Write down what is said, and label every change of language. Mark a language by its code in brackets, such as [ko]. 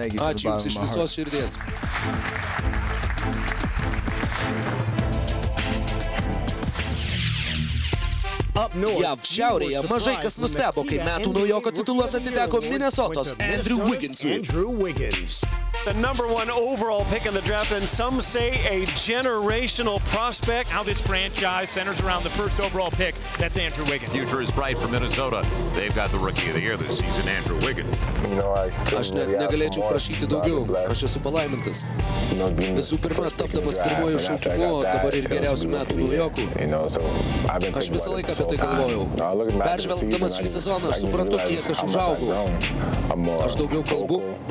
[lt] Ačiū jums iš visos širdies. Jav šiaurėje mažai kas nustebo, kai metų naujoko titulas atiteko Minnesotos Andrew Wigginsui. [en] The number one overall pick in the draft, and some say a generational prospect. Now this franchise centers around the first overall pick. That's Andrew Wiggins. Future is bright for Minnesota. They've got the rookie of the year this season, Andrew Wiggins. [lt] Aš net negalėčiau prašyti daugiau. Aš esu palaimintas. Visų pirma, tapdamas pirmojų šaukimu, dabar ir geriausių metų naujokų. Aš visą laiką apie tai galvojau. Peržvelgdamas šį sezoną, aš suprantu, kiek aš užaugau. Aš daugiau kalbu.